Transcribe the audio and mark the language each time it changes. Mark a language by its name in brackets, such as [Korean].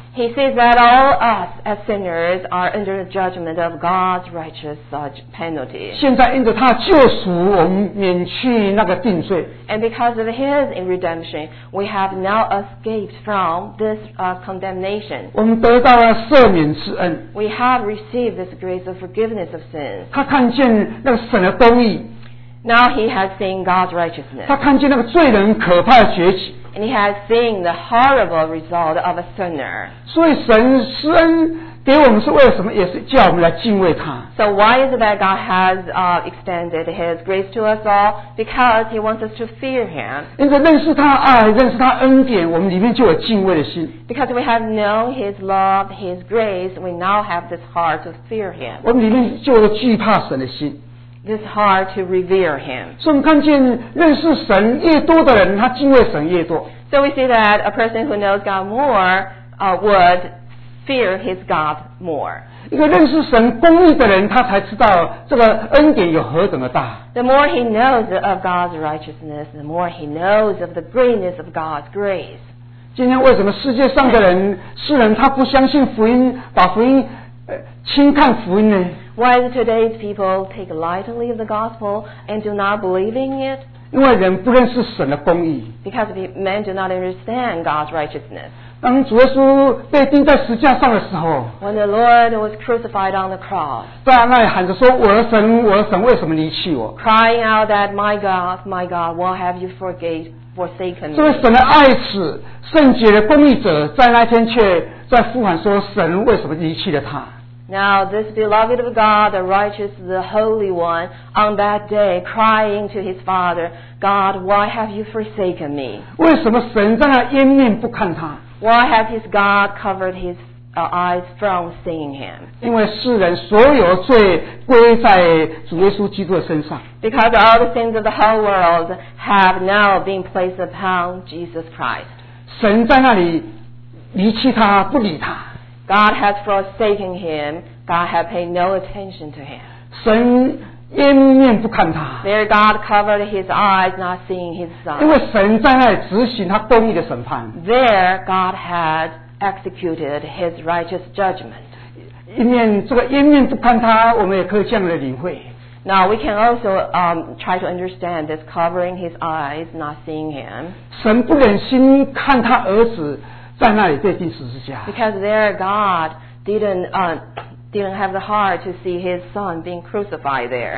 [English] He sees that all us as sinners are under the judgment of God's righteous penalty. [Chinese] 现在因着他救赎，我们免去那个定罪。 [English] And because of his redemption, we have now escaped from this condemnation. [Chinese] 我们得到了赦免之恩。 [English] We have received this grace of forgiveness of sins. [Chinese] 他看见那个神的公义。 [English] Now he has seen God's righteousness. [Chinese] 他看见那个罪人可怕的崛起。 [English] And he has seen the horrible result of a sinner. [Chinese] 所以神施恩给我们是为了什么？也是叫我们来敬畏他。 [English] So why is it that God has extended His grace to us all? Because He wants us to fear Him. [Chinese] 因着认识他爱，认识他恩典，我们里面就有敬畏的心。 [English] Because we have known His love, His grace, we now have this heart to fear Him. [Chinese] 我们里面就有惧怕神的心。 [English] This heart to revere him. [Chinese] 所以我们看见认识神越多的人，他敬畏神越多。 [English] So we see that a person who knows God more, would fear his God more. [Chinese] 一个认识神公义的人，他才知道这个恩典有何等的大。 [English] The more he knows of God's righteousness, the more he knows of the greatness of God's grace. [Chinese] 今天为什么世界上的人，世人他不相信福音，把福音轻看福音呢？ [English] Why do today's people take lightly of the gospel and do not believe in it? [Chinese] 因为人不认识神的公义。 [English] Because men do not understand God's righteousness. [Chinese] 当主耶稣被钉在十字架上的时候， [English] When the Lord was crucified on the cross, [Chinese] 在那里喊着说，我的神，我的神，为什么离弃我？ [English] Crying out that, my God, my God, why have you forsaken me? [Chinese] 这位神的爱子，圣洁的公义者，在那天却在呼喊说，神为什么离弃了他？ [English] Now, this beloved of God, the righteous, the holy one, on that day, crying to his father, God, why have you forsaken me? [Chinese] 为什么神在那掩面不看他? [English] Why has his God covered his eyes from seeing him? [Chinese] 因为世人所有罪归在主耶稣基督的身上。 [English] Because all the sins of the whole world have now been placed upon Jesus Christ. [Chinese] 神在那里离弃他，不理他。 [English] God has forsaken him. God has paid no attention to him. [Chinese] 神掩面不看他。 [English] There God covered his eyes, not seeing his son. [Chinese] 因为神在那里执行他公义的审判。 [English] There God had executed his righteous judgment. [Chinese] 一面这个掩面不看他，我们也可以这样的领会。 [English] Now we can also try to understand this covering his eyes, not seeing him. [Chinese] 神不忍心看他儿子。在那里被钉十字架。 [English] Because there God didn't have the heart to see his son being crucified there.